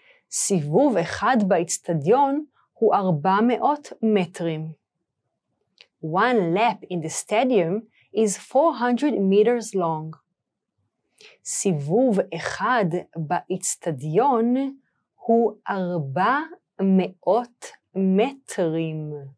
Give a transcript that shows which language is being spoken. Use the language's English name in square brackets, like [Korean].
[Hebrew] סיבוב אחד באצטדיון הוא 400 מטרים. [English] One lap in the stadium is 400 meters long. [Hebrew] סיבוב אחד באצטדיון הוא 400 מטרים.